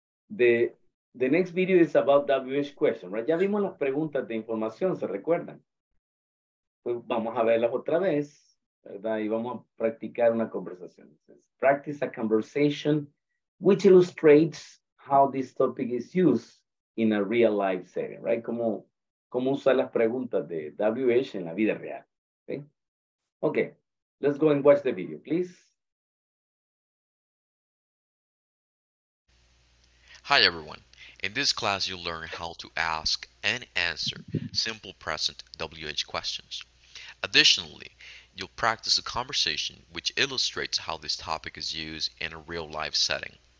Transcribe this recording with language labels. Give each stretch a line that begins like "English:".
English: The next video is about WH question, right?
Spanish: Ya vimos las preguntas de información, ¿se recuerdan? Pues vamos a verlas otra vez, ¿verdad? Y vamos a practicar una conversación.
English: Practice a conversation which illustrates how this topic is used in a real life setting, right?
Spanish: ¿Cómo usar las preguntas de WH en la vida real? ¿Sí?
English: Okay, let's go and watch the video, please. Hi, everyone. In this class, you'll learn how to ask and answer simple present WH questions. Additionally, you'll practice a conversation which illustrates how this topic is used in a real-life setting.